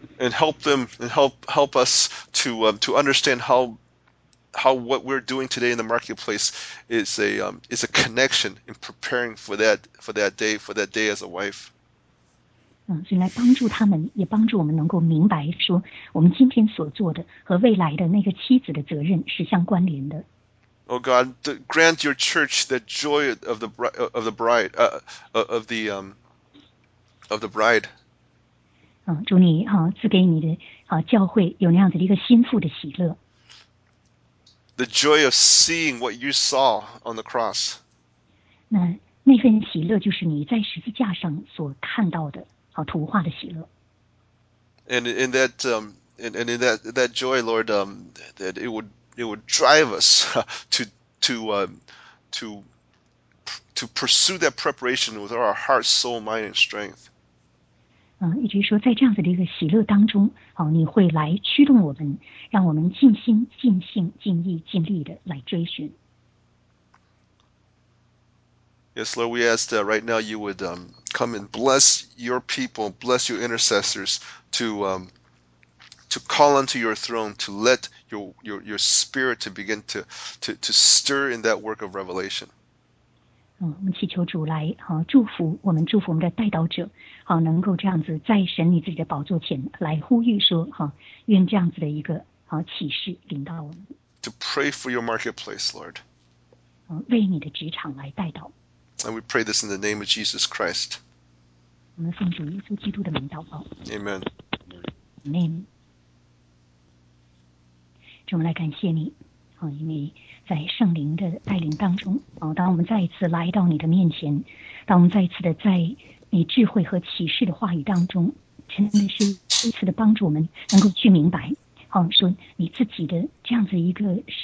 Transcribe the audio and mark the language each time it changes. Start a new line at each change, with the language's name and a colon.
English: And help them and help us to understand how what we're doing today in the marketplace is a connection in preparing for that day as a wife.
Chinese: 所以来帮助他们，也帮助我们能够明白说我们今天所做的和未来的那个妻子的责任是相关联的。
English: Oh God, grant your church the joy of the bride, of the bride, of the of the bride.
Chinese: 主你赐给你的教会有那样子的一个心腹的喜乐。
English: The joy of seeing what you saw on the cross.
Chinese: 那份喜乐就是你在十字架上所看到的图画的喜乐。
English: And in that and in that that joy, Lord, that it would drive us to pursue that preparation with all our heart, soul, mind, and strength.
Chinese: 一直说在这样子的一个喜乐当中，你会来驱动我们，让我们尽心、尽性、尽意、尽力的来追寻。
English: Yes, Lord, we ask that right now you would come and bless your people, bless your intercessors to call unto your throne, to let your spirit to begin to stir in that work of revelation.
Chinese: 我们祈求主来祝福我们，祝福我们的代祷者能够这样子在神你自己的宝座前来呼吁说愿这样子的一个启示临到我们。
English: To pray for your marketplace, Lord.
Chinese: 为你的职场来代祷。
English: And we pray this in the name of Jesus Christ.
Chinese: 我们奉主耶稣基督的名祷告。
English: Amen. Amen.
Chinese: 主，我们来感谢你，因为在圣灵的带领当中，当我们再一次来到你的面前，当我们再一次的在你智慧和启示的话语当中，真的是一次的帮助我们能够去明白，说你自己的这样子一个